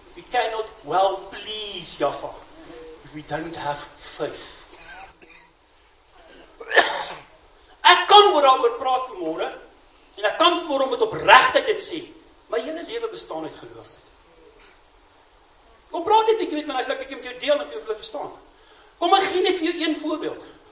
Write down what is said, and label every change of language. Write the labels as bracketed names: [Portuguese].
[English] cannot well please Jaffa if we don't have faith. [Afrikaans] Ek kan oor daaroor praat vanmôre en ek kan vanmôre met opregtheid dit sê. My hele lewe bestaan uit geloof. Kom praat net 'n bietjie met my as ek 'n bietjie met jou deel en vir jou wil verstaan. Kom ek gee net vir jou een voorbeeld.